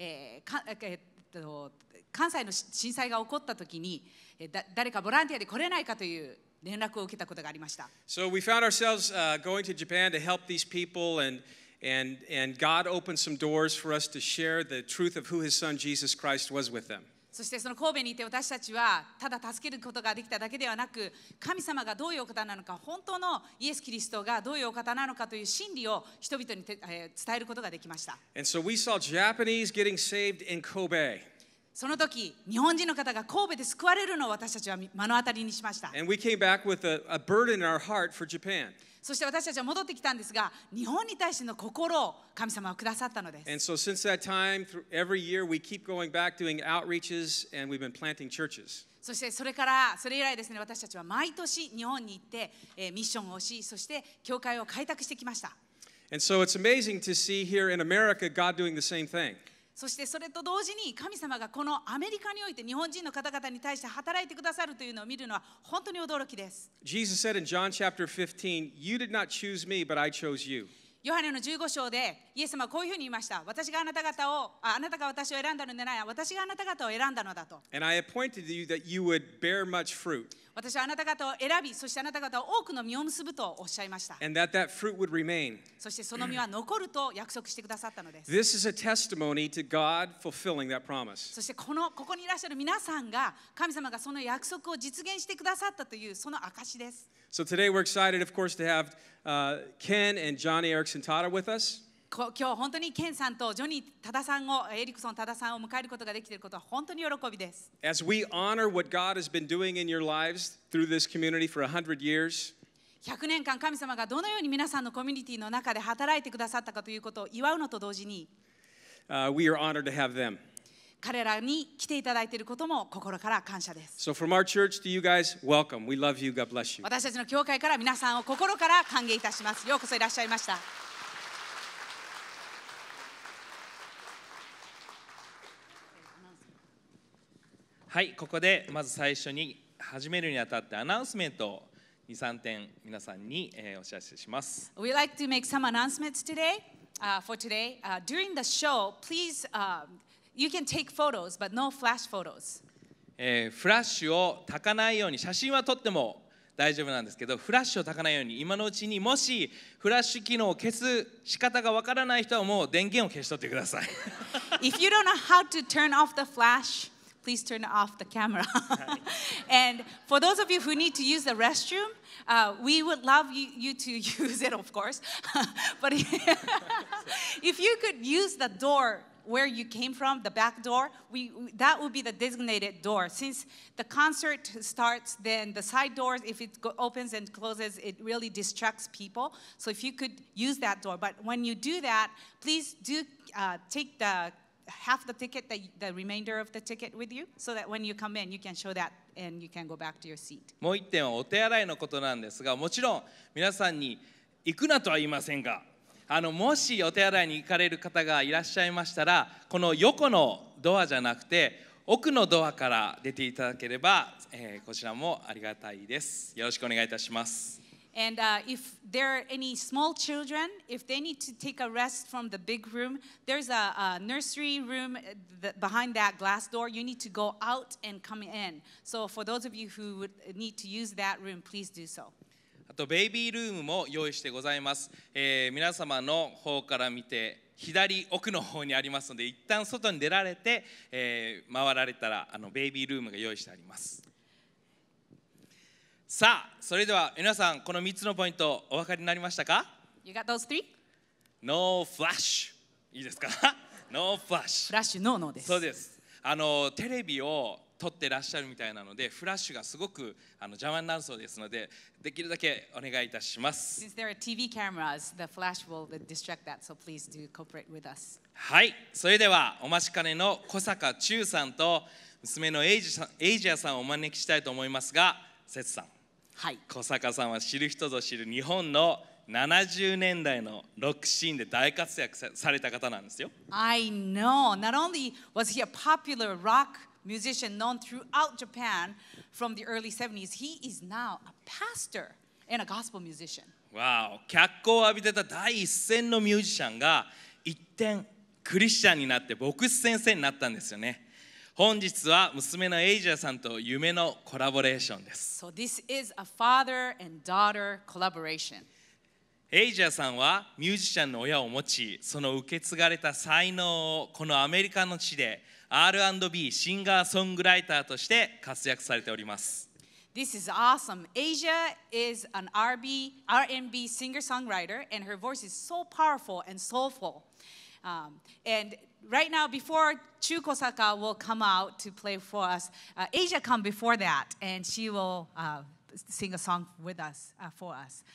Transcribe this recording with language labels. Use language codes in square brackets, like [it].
[ja] 1995年に、関西の震災が起こった時に、誰かボランティアで来れないかという連絡を受けたことがありました。 [en] So we found ourselves going to Japan to help these people, and God opened some doors for us to share the truth of who His Son Jesus Christ was with them. [ja] そしてその神戸にいて私たちはただ助けることができただけではなく神様がどういうお方なのか本当のイエス・キリストがどういうお方なのかという真理を人々に伝えることができました。 [en] And so we saw Japanese getting saved in Kobe. [ja] その時日本人の方が神戸で救われるのを私たちは目の当たりにしました。 [en] And we came back with a burden in our heart for Japan. [ja] そして私たちは戻ってきたんですが日本に対しての心を神様はくださったのです。 [en] And so since that time, every year we keep going back doing outreaches and we've been planting churches. [ja] そしてそれからそれ以来ですね私たちは毎年日本に行って、ミッションをしそして教会を開拓してきました。 [en] And so it's amazing to see here in America God doing the same thing. [ja] そしてそれと同時に神様がこのアメリカにおいて日本人の方々に対して働いてくださるというのを見るのは本当に驚きです。 [en] Jesus said in John chapter 15, You did not choose me, but I chose you. [ja] ヨハネの15章でイエス様はこういうふうに言いました。私があなた方を、あなたが私を選んだのでない、私があなた方を選んだのだと。 [en] And I appointed you that you would bear much fruit. [ja] 私はあなた方を選び、そしてあなた方は多くの実を結ぶとおっしゃいました。 [en] And that fruit would remain. [ja] そしてその実は残ると約束してくださったのです。 [en] This is a testimony to God fulfilling that promise. [ja] そしてここにいらっしゃる皆さんが神様がその約束を実現してくださったというその証です。 [en] So today we're excited, of course, to have Ken and Johnny Erickson Tata with us. [ja] 今日本当にケンさんとジョニー・タダさんをエリクソン・タダさんを迎えることができていることは本当に喜びです。 [en] As we honor what God has been doing in your lives through this community for 100 years, [ja] 100年間神様がどのように皆さんのコミュニティの中で働いてくださったかということを祝うのと同時に、 [en] we are honored to have them. [ja] 彼らに来ていただいていることも心から感謝です。 [en] So from our church to you guys, welcome. We love you. God bless you. [ja] 私たちの教会から皆さんを心から歓迎いたします。ようこそいらっしゃいました。はい、ここでまず最初に始めるにあたってアナウンスメントを 2,3 点皆さんに、お知らせします。 [en] We'd like to make some announcements today, for today. During the show, please, you can take photos, but no flash photos. [ja] フラッシュをたかないように、写真は撮っても大丈夫なんですけど、フラッシュをたかないように今のうちに、もしフラッシュ機能を消す仕方がわからない人はもう電源を消しとってください。 [en] If you don't know how to turn off the flash,Please turn off the camera. And for those of you who need to use the restroom, we would love you to use it, of course. But if you could use the door where you came from, the back door, that would be the designated door. Since the concert starts, then the side doors, if it opens and closes, it really distracts people. So if you could use that door. But when you do that, please do take theHalf the ticket, the remainder of the ticket with you, so that when you come in, you can show that and you can go back to your seat. [ja] もう一点はお手洗いのことなんですが、もちろん皆さんに行くなとは言いませんが、もしお手洗いに行かれる方がいらっしゃいましたら、この横のドアじゃなくて奥のドアから出ていただければ、こちらもありがたいです。よろしくお願いいたします。 [en] And if there are any small children, if they need to take a rest from the big room, there's a nursery room behind that glass door. You need to go out and come in. So for those of you who would need to use that room, please do so. [ja] あとベイビールームも用意してございます。皆様の方から見て左奥の方にありますので、一旦外に出られて、回られたら、ベイビールームが用意してあります。さあ、それでは皆さん、この3つのポイントお分かりになりましたか？ [en] You got those three? No flash! [ja] いいですか？ [en] No flash! [ja] フラッシュ、ノーノーです。そうです。テレビを撮ってらっしゃるみたいなので、フラッシュがすごく邪魔になるそうですので、できるだけお願いいたします。 Since there are TV cameras, the flash will distract that, so please do cooperate with us. はい、それではお待ちかねの小坂忠さんと娘のエイジアさんをお招きしたいと思いますが、節さん、はい、小坂さんは知る人ぞ知る日本の70年代のロックシーンで大活躍された方なんですよ。 [en] I know. Not only was he a popular rock musician known throughout Japan from the early 70s, he is now a pastor and a gospel musician. Wow. [ja] 脚光を浴びてた第一線のミュージシャンが一転クリスチャンになって牧師先生になったんですよね。本日は娘のエイジアさんと夢のコラボレーションです。 [en] So this is a father and daughter collaboration. [ja] エイジアさんはミュージシャンの親を持ち、その受け継がれた才能をこのアメリカの地で R&B シンガーソングライターとして活躍されております。 [en] This is awesome. Asia is an R&B singer-songwriter and her voice is so powerful and soulful. And right now, before Chu Kosaka will come out to play for us, Asia come before that, and she will sing a song with us, for us.